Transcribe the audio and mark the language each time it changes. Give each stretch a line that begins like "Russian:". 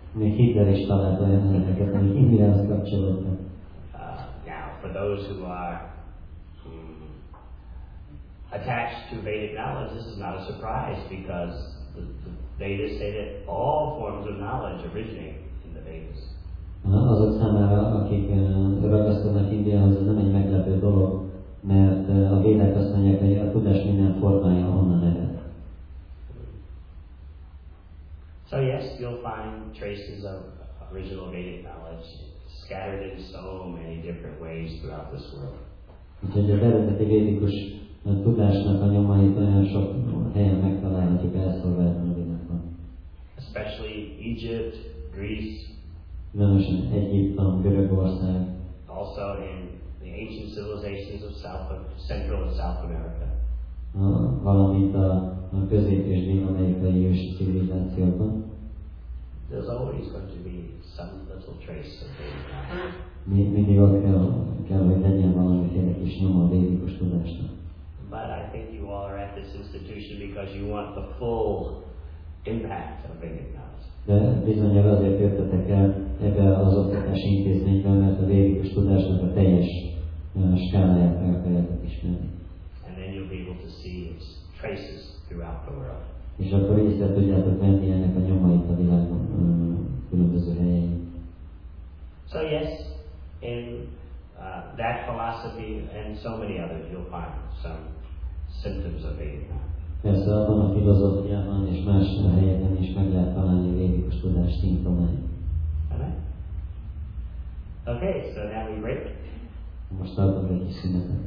English: Now, for those who are attached to Vedic knowledge, this is not a surprise, because the Vedas say that all forms of knowledge originate in the Vedas.
Hungarian: Azok számára, akik ragaszkodnak Indiához, ez nem egy meglepő dolog, mert a Védák azt mondják, hogy a tudás minden formája onnan ered.
English: So yes, you'll find traces of original Vedic knowledge scattered in so many different ways throughout this world.
Hungarian: Úgyhogy az eredeti védikus tudásnak a nyomait olyan sok helyen megtalálhatjuk elszolgálni a világban.
English: Especially Egypt, Greece,
Hungarian: Nemesen Egyiptom, Görögország.
English: Also in the ancient civilizations of Central and South America.
Hungarian: Valamint a közép- és dél-amerikai ősi civilizációkban.
English: There's always going to be some little trace of Vedic.
Hungarian: Mindig ott kell, hogy legyen valamiféle kis nyoma a védikus tudásnak.
English: But I think you all are at this institution because you want the full impact of Vedic knowledge.
Hungarian: De bizonyára azért jöttetek el ebbe az oktatási intézménybe, mert a védikus tudásnak a teljes skáláját meg akarjátok ismerni.
English: And then you'll be able to see its traces throughout the world.
Hungarian: És akkor észre tudjátok venni ennek a nyomait a világon különböző helyén.
English: So yes, in that philosophy and so many others, you'll find some symptoms of Vedic knowledge.
Hungarian: Persze abban a filozófiában és más helyeken is meg lehet találni védikus tudás szimptomát.
English: Okay, so now we break.
Hungarian: Most adom egy kis szünetet.